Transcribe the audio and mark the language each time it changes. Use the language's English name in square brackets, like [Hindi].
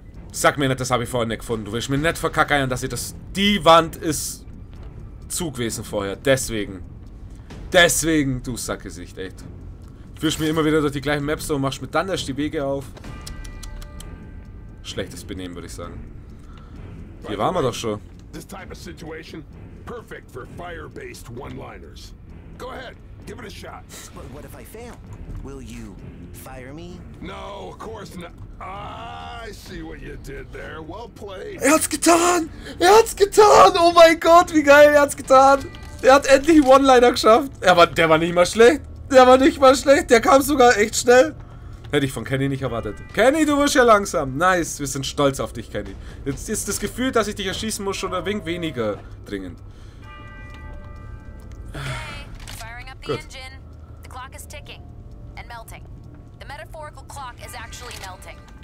[German] Sag mir nicht, das habe ich vorhin nicht gefunden. Du willst mir nicht verkackeiern, dass ich das. Die Wand ist zu gewesen vorher. Deswegen. Deswegen, du Sackgesicht, echt. Führst mir immer wieder durch die gleichen Maps und machst mir dann erst die Wege auf. Schlechtes Benehmen, würde ich sagen. Hier waren wir doch schon. [English] This type of situation perfect for fire-based one-liners. Go ahead, give it a shot. But what if I fail? Will you fire me? No, of course not. I see what you did there. Well played. [German] Er hat's getan! Er hat's getan! Oh mein Gott, wie geil, er hat's getan! Er hat endlich One-Liner geschafft. Der war nicht mal schlecht. Der war nicht mal schlecht. Der kam sogar echt schnell. Hätte ich von Kenny nicht erwartet. Kenny, du wirst ja langsam. Nice, wir sind stolz auf dich, Kenny. Jetzt ist das Gefühl, dass ich dich erschießen muss, schon ein wenig weniger dringend. [English] Okay, firing up the engine. The clock is ticking and melting. The metaphorical clock is actually melting.